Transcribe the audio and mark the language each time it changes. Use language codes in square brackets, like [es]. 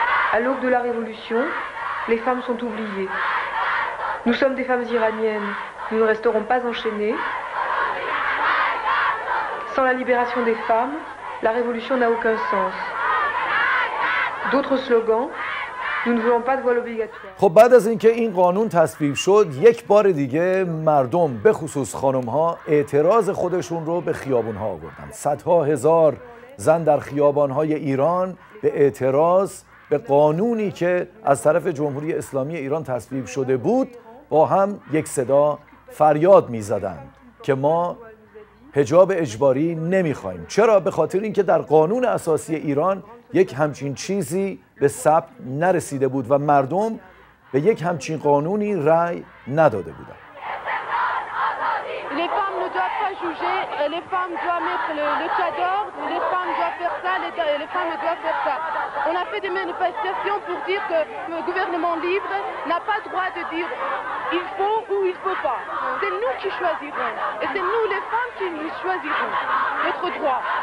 [fr] À l'aube de la révolution, les femmes sont oubliées. Nous sommes des femmes iraniennes, nous ne resterons pas enchaînées. Sans la libération des femmes, la révolution n'a aucun sens. D'autres slogans, nous ne voulons pas de voile obligatoire. [fa] خب بعد از اینکه این قانون تصویب شد یک بار دیگه مردم به خصوص خانم ها اعتراض خودشون رو به خیابون ها آوردن. صدها هزار زن در خیابان های ایران به اعتراض به قانونی که از طرف جمهوری اسلامی ایران تصویب شده بود با هم یک صدا فریاد می زدند که ما حجاب اجباری نمی خواهیم. چرا؟ به خاطر اینکه در قانون اساسی ایران یک همچین چیزی به ثبت نرسیده بود و مردم به یک همچین قانونی رأی نداده بودند. [fr] Les femmes ne doivent pas juger, les femmes doivent mettre le tchador, les femmes doivent faire ça, les femmes doivent faire ça. On a fait des manifestations pour dire que le gouvernement libre n'a pas droit de dire il faut ou il faut pas. C'est nous qui choisirons et c'est nous les femmes qui choisirons notre droit.